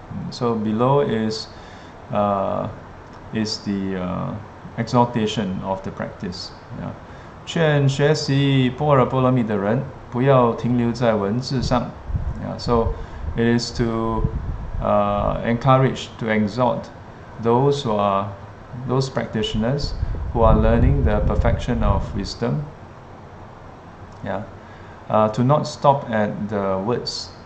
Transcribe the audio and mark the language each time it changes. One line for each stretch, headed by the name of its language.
English: So below is the exhortation of the practice.
Chinese: 劝学习般若波罗蜜的人不要停留在文字上.
English: Yeah, so it is to encourage, to exhort those practitioners who are learning the perfection of wisdom. Yeah, to not stop at the words.